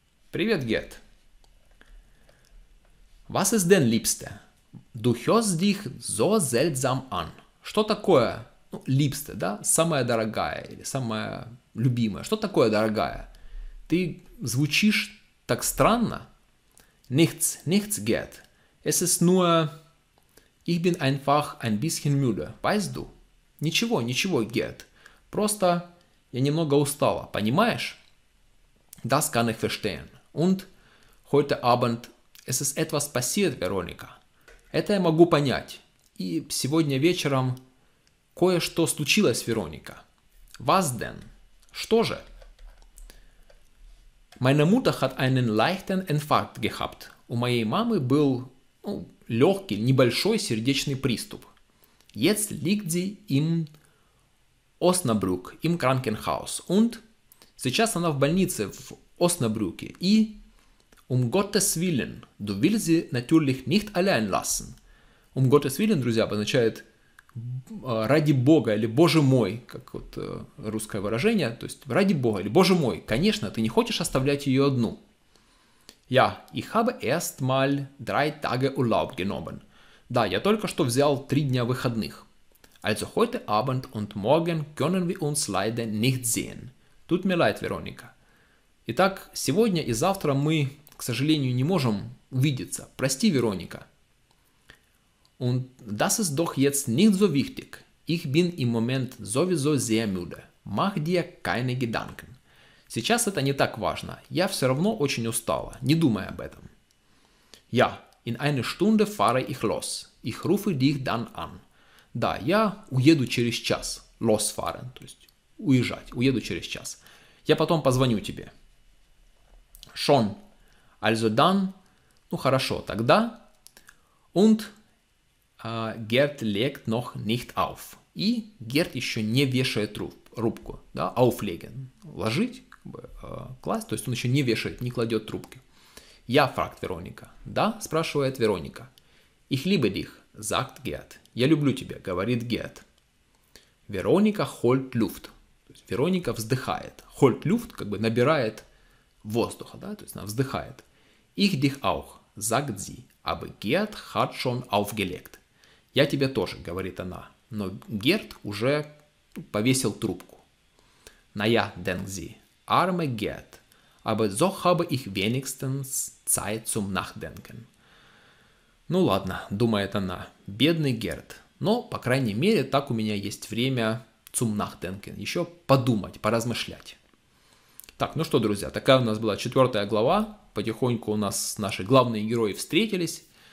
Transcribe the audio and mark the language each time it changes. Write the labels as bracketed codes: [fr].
[ru] Привет, Gerd. [de] Was ist denn, Liebste? Du hörst dich so seltsam an. [ru] Что такое? Ну, liebste, да? Самая дорогая или самая любимая. Что такое дорогая? Ты звучишь так странно. [de] Nichts, nichts, Gerd. Es ist nur... Ich bin einfach ein bisschen müde. Weißt du? [ru] Ничего, ничего, Gerd. Просто я немного устала. Понимаешь? [de] Das kann ich verstehen. Und heute Abend... Es ist etwas passiert, Вероника. [ru] Это я могу понять. И сегодня вечером кое-что случилось, Вероника. [de] Was denn? [ru] Что же? [de] Meine Mutter hat einen leichten Infarkt gehabt. [ru] У моей мамы был, ну, легкий, небольшой сердечный приступ. [de] Jetzt liegt sie in Osnabrück, im Krankenhaus. Und [ru] сейчас она в больнице в Оснабрюке. И... [de] Gottes Willen, du willst sie natürlich nicht allein lassen. Gottes Willen, [ru] друзья, обозначает ради Бога или Боже мой, как вот русское выражение, то есть ради Бога или Боже мой, конечно, ты не хочешь оставлять ее одну. [de] Ja, ich habe erst mal drei Tage Urlaub genommen. [ru] Да, я только что взял 3 дня выходных. [de] Also heute Abend und morgen können wir uns leider nicht sehen. Tut mir leid, Вероника. [ru] Итак, сегодня и завтра мы... К сожалению, не можем увидеться. Прости, Вероника. [de] Und das ist doch jetzt nicht so wichtig. Ich bin im Moment sowieso sehr müde. Mach dir keine Gedanken. [ru] Сейчас это не так важно. Я все равно очень устала. Не думай об этом. [de] Ja, in eine Stunde fahre ich los. Ich rufe dich dann an. [ru] Да, я уеду через час. [de] Los fahren, [ru] то есть уезжать. Уеду через час. Я потом позвоню тебе. [de] Schon. Also dann, [ru] ну хорошо, тогда. [de] Und Gerd legt noch nicht auf. [ru] И Gerd еще не вешает трубку. Да, auflegen. Ложить, как бы, класть. То есть он еще не вешает, не кладет трубки. [de] Ja, fragt Вероника. [ru] Да, спрашивает Вероника. [de] Ich liebe dich, sagt Gerd. [ru] Я люблю тебя, говорит Gerd. [de] Вероника holt Luft. [ru] То есть Вероника вздыхает. [de] Holt Luft, [ru] как бы набирает воздуха. Да, то есть она вздыхает. [de] Ich dich auch, sagt sie, aber Gerd hat schon aufgelegt. [ru] Я тебя тоже, говорит она, но Gerd уже повесил трубку. [de] Naja, denkt sie, arme Gerd, aber so habe ich wenigstens Zeit zum Nachdenken. [ru] Ну ладно, думает она, бедный Gerd, но, по крайней мере, так у меня есть время [de] zum Nachdenken, [ru] еще подумать, поразмышлять. Так, ну что, друзья, такая у нас была 4 глава. Потихоньку у нас наши главные герои встретились.